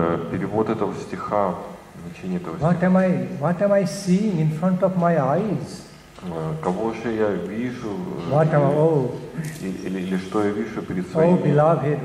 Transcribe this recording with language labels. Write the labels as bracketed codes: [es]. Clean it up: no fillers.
[ru] Перевод этого стиха, значение этого стиха. [en] What am I seeing in front of my eyes? [ru] Кого же я вижу? [en] What am I? Oh. [ru] Или что я вижу перед своими глазами?